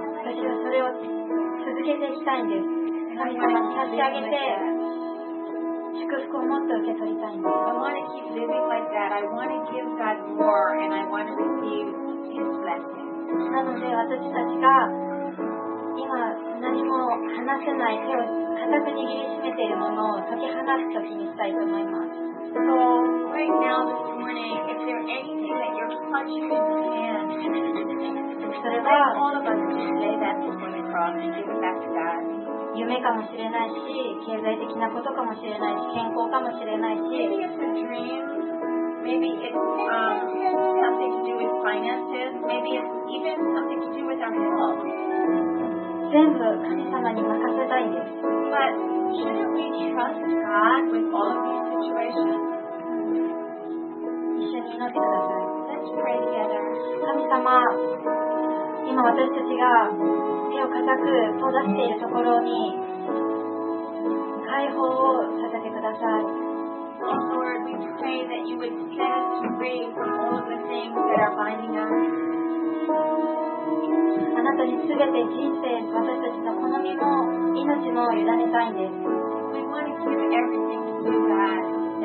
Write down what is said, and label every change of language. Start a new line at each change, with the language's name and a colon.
Japanese: 私はそれを続けていきたいんです。神様に差し上げて祝福をもっと受け取りたいんです。
English: I want to keep living like that. I want to give God more, and I want to receive His blessing.
Japanese: なので私たちが今何も話せない手を固く握りしめているものを解き放つときにしたいと思います。
English: So right now this morning, if there's anything that you're clutching in your hand, then I'd like all of us to lay that before the cross and give it back to God.
Japanese: 夢かもしれないし、経済的なことかもしれないし、健康かもしれないし。
English: Maybe it's a dream. Maybe it's something to do with finances. Maybe it's even something to do with our health.
Japanese: 全部神様に任せたいです。
English: But shouldn't we trust God with all of these situations?
Japanese: 一緒に祈ってください。神様、今私たちが手を固く閉ざしているところに解放をさせてください。
English: Lord, we pray that you would set us free from all of the things that are binding us.
Japanese: あなたにすべて人生、私たちの好みも命も委ねたいんです。
English: We want to give everything to you, God.